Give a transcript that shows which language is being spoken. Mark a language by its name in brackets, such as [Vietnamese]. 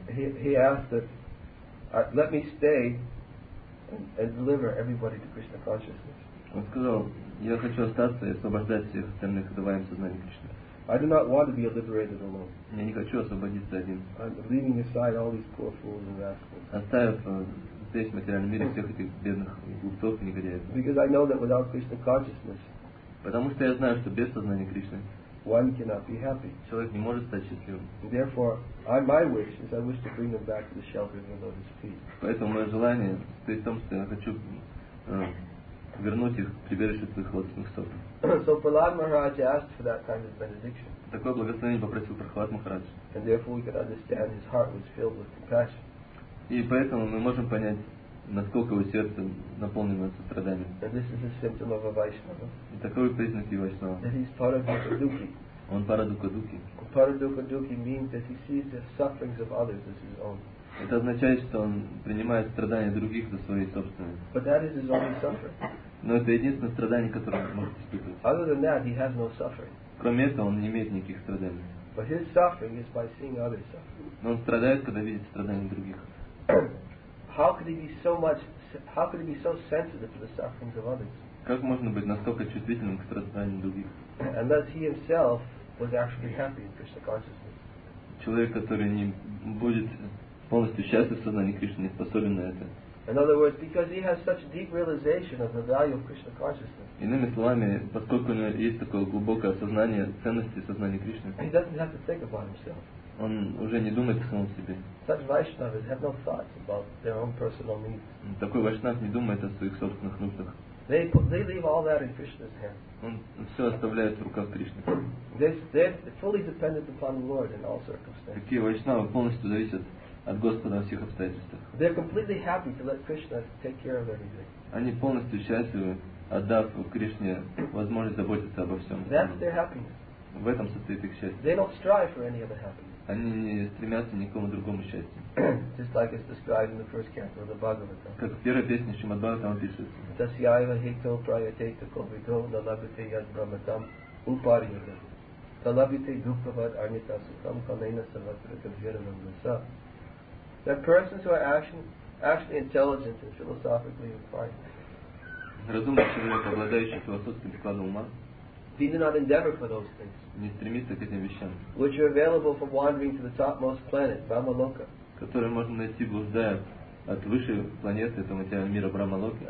[English] He asked that, let me stay and deliver everybody to Krishna consciousness. [Russian] Он сказал, я хочу остаться и освобождать всех остальных, давая им сознание Кришны. [English] I do not want to be liberated alone. [Russian] Я не хочу освободиться один. [English] I'm leaving aside all these poor fools and rascals. [Russian] Оставив здесь, в материальном мире, всех этих бедных глупцов и негодяев. [English] Because I know that without Krishna consciousness, [Russian] потому что я знаю, что без сознания Кришны [English] one cannot be happy. [Russian] Человек не может стать счастливым. [English] Therefore, my wish is I wish to bring them back to the shelter of the Lord's feet. [Russian] Поэтому мое желание стоит в том, что я хочу вернуть их в прибежище своих лотосных стоп. [English] So Prahlad Maharaj asked for that kind of benediction. [Russian] Такое благословение попросил Прохлад Махарадж. [English] And therefore we can understand his heart was filled with compassion. [Russian] И поэтому мы можем понять, насколько его сердце наполнено состраданием. [English] And this is a symptom of a Vaishnava. [Russian] И такой признак его Вайшнава. [English] That he's Парадукадуки. [Russian] Он Парадукадуки. [English] Парадукадуки means that he sees the sufferings of others as his own. [Russian] Это означает, что он принимает страдания других за свои собственные. [English] But that is his only suffering. [Russian] Но это единственное страдание, которое он может испытывать. [English] Other than that, he has no suffering. [Russian] Кроме этого, он не имеет никаких страданий. [English] But his suffering is by seeing others suffer. [Russian] Но он страдает, когда видит страдания других. [English] How could he be so sensitive to the sufferings of others? [Russian] Как можно быть настолько чувствительным к страданиям других? [English] Unless he himself was actually happy in Krishna consciousness. [Russian] Человек, который не будет полностью счастлив в сознании Кришны, не способен на это. [English] In other words, because he has such deep realization of the value of Krishna consciousness. [Russian] Иными словами, поскольку у него есть такое глубокое осознание ценности сознания Кришны. [English] He doesn't have to think about himself. [Russian] Он уже не думает о самом себе. [English] Such Vaishnavas have no thoughts about their own personal needs. [Russian] Такой Вайшнав не думает о своих собственных нуждах. [English] They leave all that in Krishna's hands. [Russian] Он все оставляет в руках Кришны. [English] They're fully dependent upon the Lord in all circumstances. [Russian] Такие Вайшнавы полностью зависят от Господа во всех обстоятельствах. [English] They're completely happy to let Krishna take care of everything. [Russian] Они полностью счастливы, отдав Кришне возможность заботиться обо всем. [English] That's their happiness. [Russian] В этом состоит их счастье. [English] They don't strive for any other happiness. [Russian] Они не стремятся ни к какому другому счастью. Как в первой песне Шримад-Бхагаватам пишется. [English] That persons who are actually intelligent and philosophically inclined. [Russian] Разумный человек, обладающий философским складом ума. [English] He did not endeavor for those things. [Russian] Не стремится к этим вещам. [English] Which are available for wandering to the topmost planet, Brahmaloka. [Russian] Которые можно найти, блуждая от высшей планеты этого материального мира Брахмалоки.